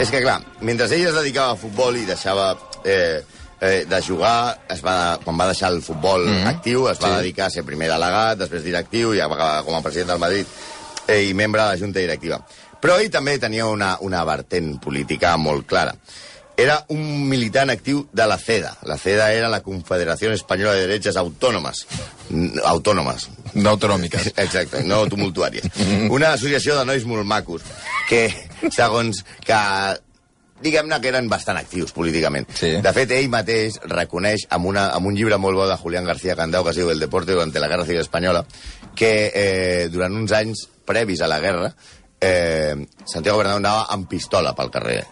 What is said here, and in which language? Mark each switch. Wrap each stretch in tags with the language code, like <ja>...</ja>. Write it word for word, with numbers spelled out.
<ca>És que, clar, mentre ell es dedicava a futbol i deixava eh, eh, de jugar, es va, quan va deixar el futbol mm-hmm. actiu, es va sí. dedicar a ser primer delegat, després directiu, i ja va acabar com a president del Madrid eh, i membre de la Junta Directiva. Però ell també tenia una, una vertent política molt clara. Era un militant actiu de la CEDA.</ca> <es>La CEDA era la Confederación Española de Derechas Autónomas. Autónomas.</es> <ca>No autonòmiques. Exacte, no tumultuàries. Una associació de nois molt macos que, segons que... diguem-ne que eren bastant actius políticament. Sí. De fet, ell mateix reconeix amb, una, amb un llibre molt bo de Julián García Candau que es diu El deporte durante la Guerra Civil Española, que eh, durant uns anys previs a la guerra Eh, Santiago Bernabéu anava amb pistola pel carrer.</ca>